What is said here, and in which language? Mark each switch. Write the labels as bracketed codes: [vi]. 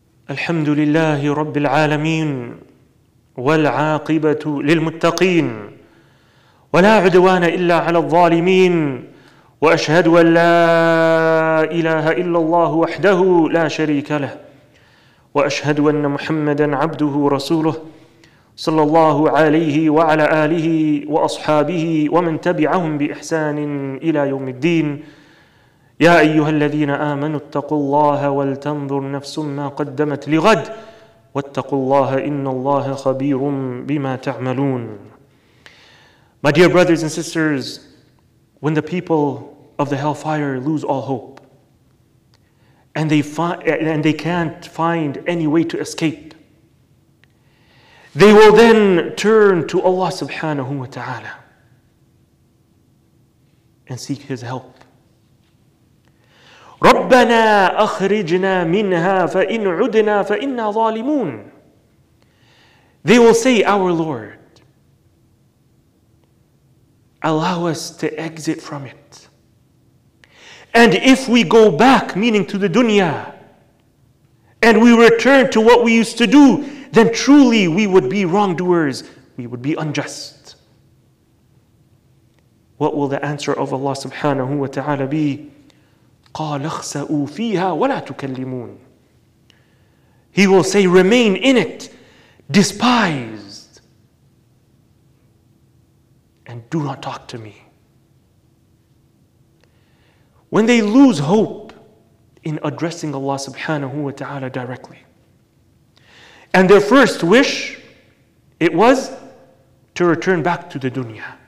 [ar] الحمد لله رب العالمين والعاقبة للمتقين ولا عدوان إلا على الظالمين وأشهد أن لا إله إلا الله وحده لا شريك له وأشهد أن محمدًا عبده ورسوله صلى الله عليه وعلى آله وأصحابه ومن تبعهم بإحسان إلى يوم الدين. يا أيها الذين آمنوا اتقوا الله ولتنظر نفس ما قدمت لغد واتقوا الله إن الله خبير بما تعملون. [en] My dear brothers and sisters, when the people of the hellfire lose all hope and they can't find any way to escape, they will then turn to Allah subhanahu wa ta'ala and seek His help. [ar] ربنا أخرجنا منها فإن عدنا فإنا ظالمون. [en] They will say, our Lord, allow us to exit from it. And if we go back, meaning to the dunya, and we return to what we used to do, then truly we would be wrongdoers, we would be unjust. What will the answer of Allah subhanahu wa ta'ala be? [ar] قال اخسأوا فيها ولا تكلمون. [en] He will say, remain in it, despised, and do not talk to me. When they lose hope in addressing Allah subhanahu wa ta'ala directly, and their first wish, it was to return back to the dunya.